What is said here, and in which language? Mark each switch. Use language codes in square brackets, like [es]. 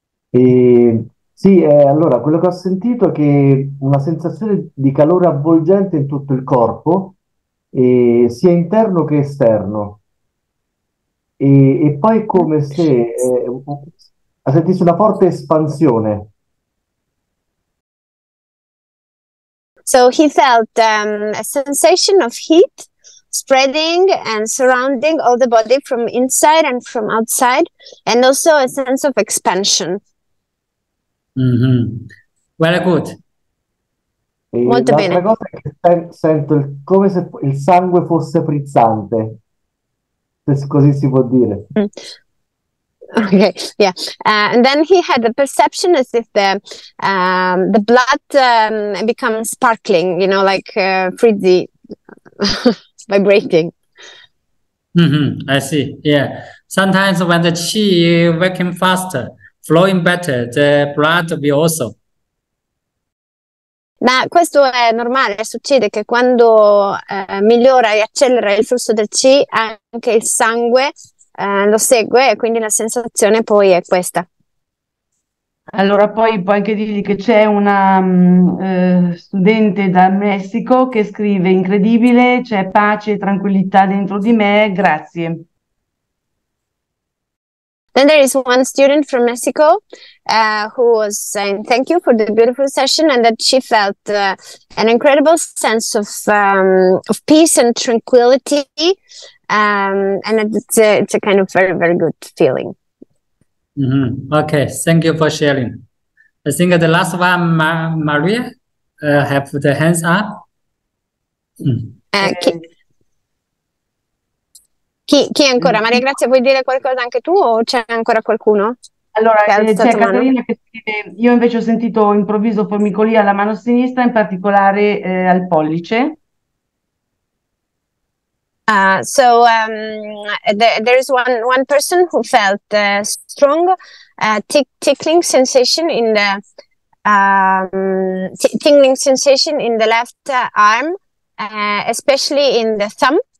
[it] Sì, allora quello che ho sentito è che una sensazione di calore avvolgente in tutto il corpo, sia interno che esterno. E poi come se sentisse una forte espansione. [en] So he felt a sensation of heat spreading and surrounding all the body from inside and from outside, and also a sense of expansion. Very good. [it] Molto l'altra bene. cosa è che sento come se il sangue fosse frizzante, se così si può dire. [en] Okay, yeah. And then he had the perception as if the blood becomes sparkling, you know, like frizzy, vibrating. I see, yeah. Sometimes when the chi working faster, flowing better, the blood will also. [it] Ma questo è normale, succede che quando migliora e accelera il flusso del chi, anche il sangue lo segue e quindi la sensazione poi è questa. Allora poi puoi anche dirgli che c'è una studente dal Messico che scrive incredibile, c'è pace e tranquillità dentro di me, grazie. [en] Then there is one student from Mexico who was saying thank you for the beautiful session and that she felt an incredible sense of peace and tranquillity and it's a kind of very, very good feeling. Okay, thank you for sharing. I think the last one, Maria, have the hands up. [it] Chi ancora? Maria Grazia, vuoi dire qualcosa anche tu o c'è ancora qualcuno? Allora, c'è Caterina mano? Che scrive, io invece ho sentito improvviso formicolia alla mano sinistra, in particolare al pollice. [en] There is one person who felt a strong tickling sensation in the tingling sensation in the left arm, especially in the thumb.